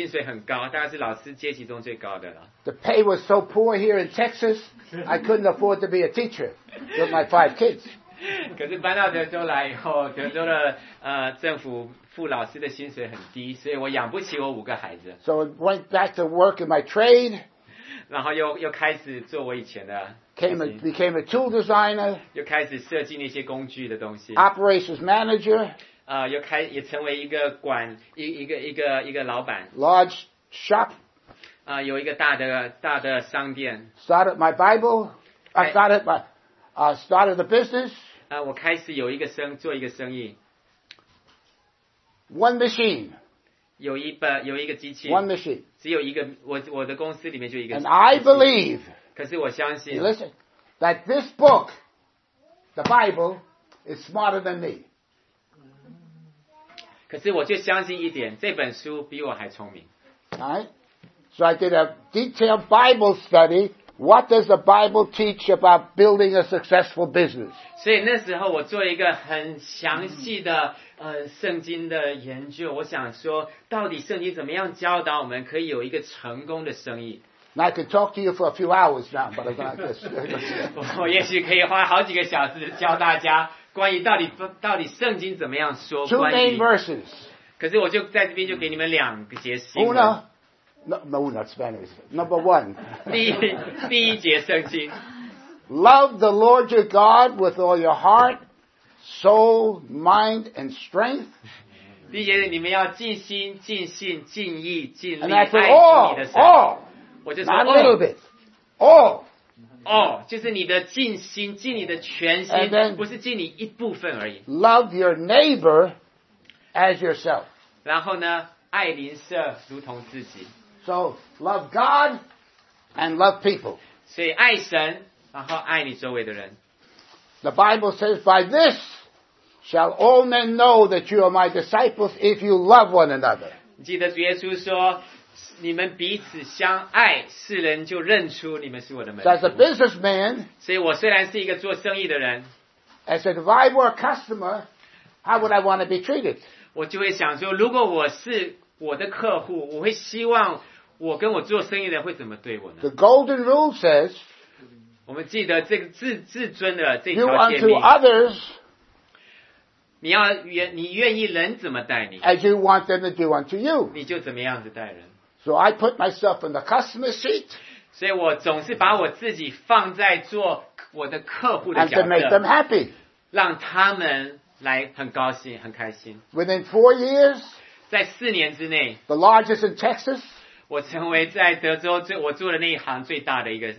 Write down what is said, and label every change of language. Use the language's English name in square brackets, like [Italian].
[Chinese] 我在纽约那边，那时候我当老师，可是我薪水很高，大概是老师阶级中最高的了。 [English] The pay was so poor here in Texas, I couldn't afford to be a teacher with my five kids. [Chinese] 可是搬到德州来以后，德州的政府。付老师的薪水很低，所以我养不起我五个孩子。 [English] So I went back to work in my trade. [Chinese] 然后又开始做我以前的。 [English] Became a tool designer. [Chinese] 又开始设计那些工具的东西。 [English] Operations manager. [Chinese] 又成为一个老板。 [English] Large shop. [Chinese] 有一个大的商店。 [English] Started my Bible. Started the business. [Chinese] 我开始做一个生意。 [English] One machine. [Chinese] 有一个机器。 [English] One machine. [Chinese] 只有一个，我的公司里面就一个。 [English] And I believe. [Chinese] 可是我相信。 [English] Listen, that this book, the Bible, is smarter than me. [Chinese] 可是我就相信一点，这本书比我还聪明。 [English] Alright. So I did a detailed Bible study. What does the Bible teach about building a successful business? [Chinese] 所以那时候我做一个很详细的圣经的研究，我想说到底圣经怎么样教导我们可以有一个成功的生意。 [English] I could talk to you for a few hours now, but I'm not this. [Chinese] 我也许可以花好几个小时教大家关于到底圣经怎么样说关于。 [English] Two main verses. [Chinese] 可是我就在这边就给你们两节新闻。 [Spanish] Uno. [English] No, not Spanish. Number one. [Chinese] 第一节圣经。 [English] Love the Lord your God with all your heart, soul, mind, and strength. [Chinese] 第一节是你们要尽心、尽心、尽意、尽力 [English] said, [Chinese] 爱你的神。我就说 [English] ，little bit， 哦， [Chinese] 就是你的尽心、尽你的全心， [English] then, [Chinese] 不是尽你一部分而已。 [English] Love your neighbor as yourself。 [Chinese] 然后呢，爱邻舍如同自己。 [English] So love God and love people。 [Chinese] 所以爱神，然后爱你周围的人。 [English] The Bible says, by this shall all men know that you are my disciples if you love one another. [Chinese] 记得耶稣说，你们彼此相爱，世人就认出你们是我的门徒。 [English] As a businessman, [Chinese] 所以我虽然是一个做生意的人， [English] as if I were a customer, how would I want to be treated? [Chinese] 我就会想说，如果我是我的客户，我会希望我跟我做生意的人会怎么对我呢？ [English] The golden rule says, [Chinese] 我们记得这个 自尊的这条诫命。 [English] You unto others, [Chinese] 你愿意人怎么待你 [English] ？As you want them to do unto you, [Chinese] 你就怎么样子待人。 [English] So I put myself in the customer seat. [Chinese] 所以我总是把我自己放在做我的客户的角色。 [English] And to make them happy, [Chinese] 让他们来很高兴很开心。 [English] Within 4 years, [Chinese] 在四年之内 [English] ，the largest in Texas. [Chinese] 我成为在德州最我做的那一行最大的一个。